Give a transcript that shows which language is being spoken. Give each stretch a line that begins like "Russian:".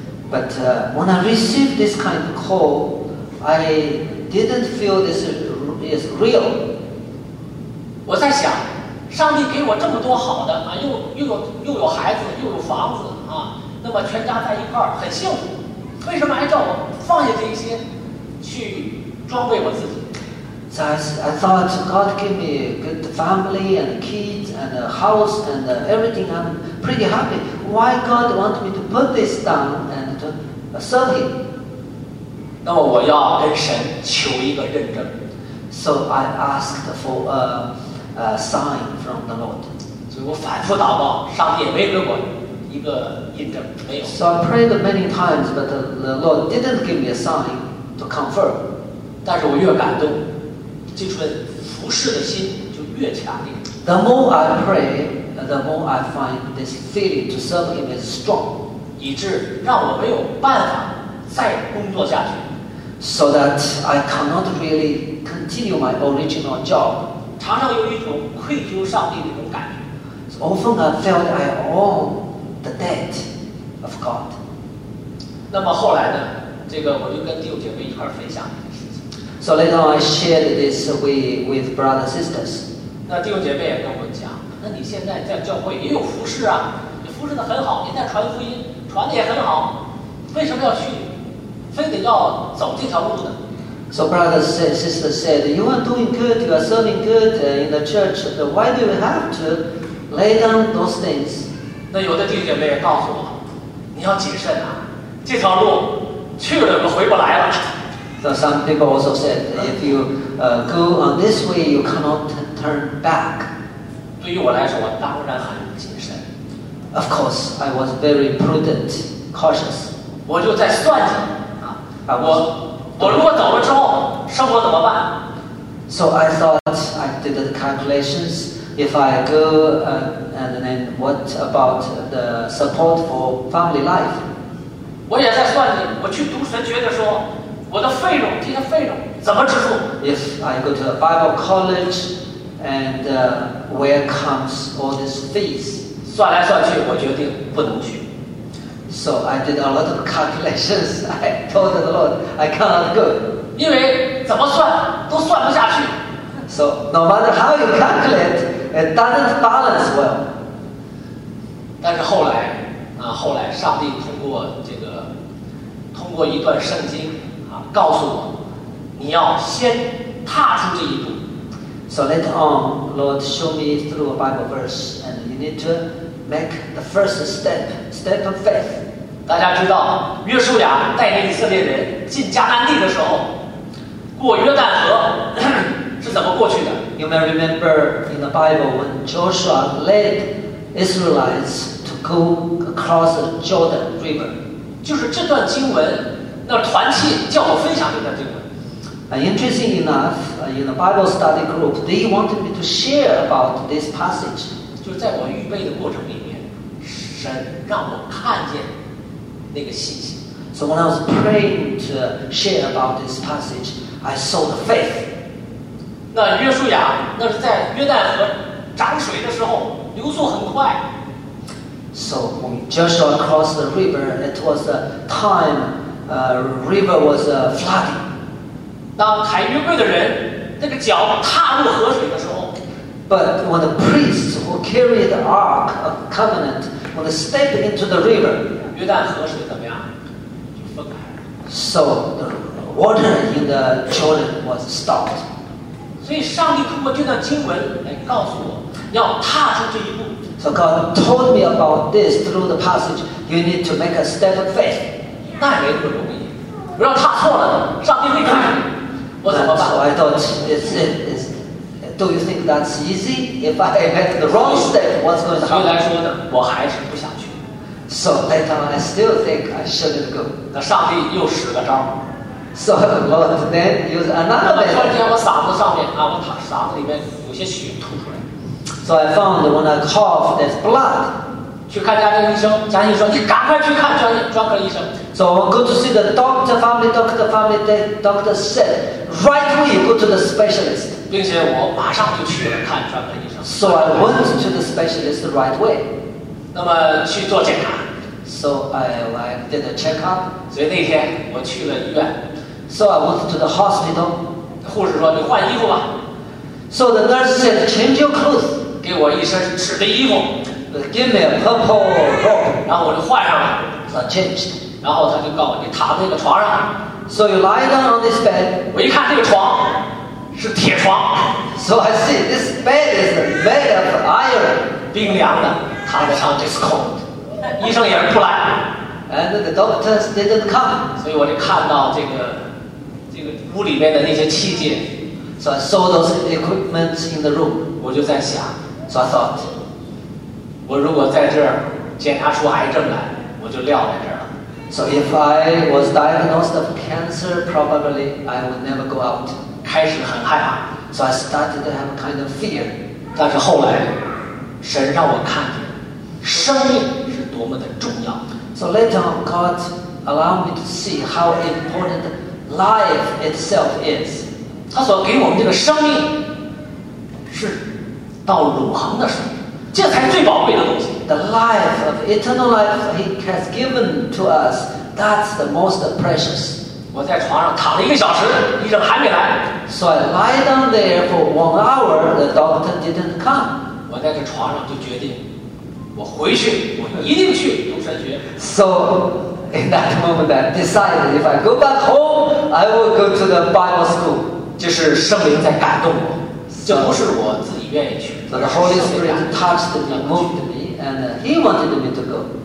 English: But when I received this kind of call, I didn't feel this is real.
Chinese: 我在想，上帝给我这么多好的啊，又有孩子，又有房子啊，那么全家在一块儿很幸福，为什么还叫我放下这些去装备我自己？
English: So I thought God gave me a good family and kids and a house and everything. I'm pretty happy. Why God want me to put this down and to serve Him?
Chinese: 那么我要跟神求一个认证。
English: So I asked for a sign from the Lord.
Chinese: 所以我反复祷告，上帝也没给我一个印证，没有。
English: So I prayed many times, but the Lord didn't give me a sign to confirm.
Chinese: 但是我越感动。这份服侍的心就越强烈。
English: The more I pray, the more I find this feeling to serve Him is strong,
Chinese: 以致让我没有办法再工作下去。
English: So that I cannot really continue my original job.
Chinese: 常常有一种愧疚上帝的一种感觉。
English: So often I felt I owe the debt of God.
Chinese: 那么后来呢？这个我就跟弟兄姐妹一块分享。
English: So later on, I shared this with brothers and sisters.
Chinese: 那弟兄姐妹也跟我讲，那你现在在教会也有服侍啊，你服侍的很好，你在传福音，传的也很好，为什么要去，非得要走这条路呢？
English: So brothers and sisters said, you are doing good, you are serving good in the church, but why do you have to lay down those things?
Chinese: 那有的弟兄姐妹也告诉我，你要谨慎啊，这条路去了就回不来了。
English: So some people also said, if you go on this way, you cannot turn back.
Chinese: 对于我来说，我当然很谨慎。
English: Of course, I was very prudent, cautious.
Chinese: 我就在算计啊，我如果走了之后，生活怎么办？
English: So I thought, I did the calculations. If I go, and then what about the support for family life?
Chinese: 我也在算计，我去读神学的时候。我的费用，这些费用怎么支付
English: ？If I go to a Bible college, and where comes all these fees?
Chinese: 算来算去，我决定不能去。
English: So I did a lot of calculations. I told the Lord, I cannot go.
Chinese: 因为怎么算都算不下去。
English: So no matter how you calculate, it doesn't balance well.
Chinese: 但是后来，啊，后来上帝通过这个，通过一段圣经。告诉我，你要先踏出这一步。
English: So later on, Lord showed me through a Bible verse, and you need to make the first step, step of faith.
Chinese: 大家知道，约书亚带领以色列人进迦南地的时候，过约旦河是怎么过去的
English: ？You may remember in the Bible when Joshua led Israelites to go across the Jordan River.
Chinese: 就是这段经文。那团契叫我分享这段经文。
English: Interesting enough, in the Bible study group, they wanted me to share about this passage.
Chinese: 就在我预备的过程里面，神让我看见那个信心。
English: So when I was praying to share about this passage, I saw the faith.
Chinese: 那约书亚那是在约旦河涨水的时候，流速很快。
English: So when Joshua crossed the river, it was a time. River was flooding.
Chinese: 当抬约柜的人那个脚踏入河水的时候
English: ，But when the priests who carried the ark of covenant when they stepped into the river,
Chinese: 约旦河水怎么样？就分开了。
English: So the water in the Jordan was stopped.
Chinese: 所以上帝通过这段经文来告诉我，要踏出这一步。
English: So God told me about this through the passage. You need to make a step of faith.
Chinese: 那也不容易，我要踏错了，上帝会看见我怎么办
English: ？So I thought, is do you think that's easy? If I make the wrong step, what's going to happen?
Chinese: 所以来说呢，我还是不想去。
English: So later on, I still think I shouldn't go.
Chinese: 那上帝又使个招
English: So Lord then used another method.
Chinese: 那么突然间，我嗓子上面啊，我嗓子里面有些血吐出来。
English: So I found when I cough, there's blood.
Chinese: 去看家庭医生，家庭医生，你赶快去看专科医生。
English: So we go to see the doctor, family doctor, family doctor said, right away go to the specialist.
Chinese: 并且我马上就去了看专科医生。
English: So I went to the specialist right away.
Chinese: 那么去做检查。
English: So I did a check-up.
Chinese: 所以那天我去了医院。
English: So I went to the hospital.
Chinese: 护士说你换衣服吧。
English: So the nurse said, change your clothes.
Chinese: 给我一身纸的衣服。
English: Give me a purple robe.
Chinese: 然后我就换上了。
English: So I changed.
Chinese: 然后他就告诉你躺在那个床上。
English: So you lie down on this bed.
Chinese: 我一看这个床是铁床。
English: So I see this bed is made of iron.
Chinese: 冰凉的，躺在上
English: is cold.
Chinese: 医生也不来。
English: And the doctors didn't come.
Chinese: 所以我就看到这个屋里面的那些器械。
English: So I saw those equipment in the room.
Chinese: 我就在想。
English: So I thought,
Chinese: 我如果在这儿检查出癌症来，我就撂在这儿。
English: So if I was diagnosed of cancer, probably I would never go out.
Chinese: 开始很害怕。
English: So I started to have a kind of fear.
Chinese: 但是后来，神让我看见，生命是多么的重要。
English: So later on, God allowed me to see how important life itself is.
Chinese: 他所给我们这个生命，是到永恒的生命。这才是最宝贵的东西。
English: The life of eternal life he has given to us, that's the most precious.
Chinese: 我在床上躺了一个小时，医生还没来。
English: So I lie down there for 1 hour, the doctor didn't come.
Chinese: 我在这床上就决定，我回去，我一定去读神学。
English: So in that moment, I decided if I go back home, I will go to the Bible school.
Chinese: 这是圣灵在感动我。这不是我自己愿意去。
English: But the Holy Spirit touched me, moved me, and He wanted me to go.